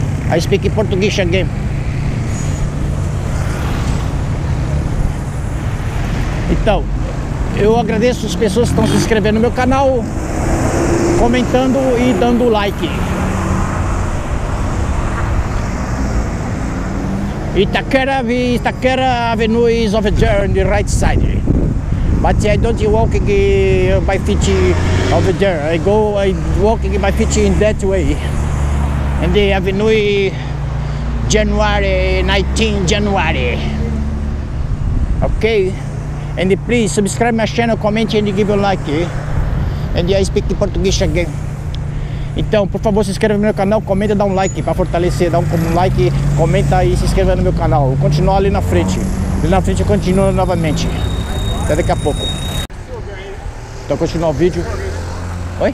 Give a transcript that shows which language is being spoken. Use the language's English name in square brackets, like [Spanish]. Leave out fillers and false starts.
[English] I speak in Portuguese again. [Portuguese] Então, eu agradeço as pessoas que estão se inscrevendo no meu canal, comentando e dando like. [English] Itaquera Avenue is over there on the right side. But I don't walk by feet over there. I walk by feet in that way. And the Avenue January, 19 January. Okay? And please subscribe my channel, comment and give a like. And I speak in Portuguese again. [Portuguese] Então, por favor, se inscreva no meu canal, comenta e dá um like para fortalecer. Dá um like, comenta e se inscreva no meu canal. Continua ali na frente. Ali na frente continua novamente. Até daqui a pouco. Então, continua o vídeo. Oi?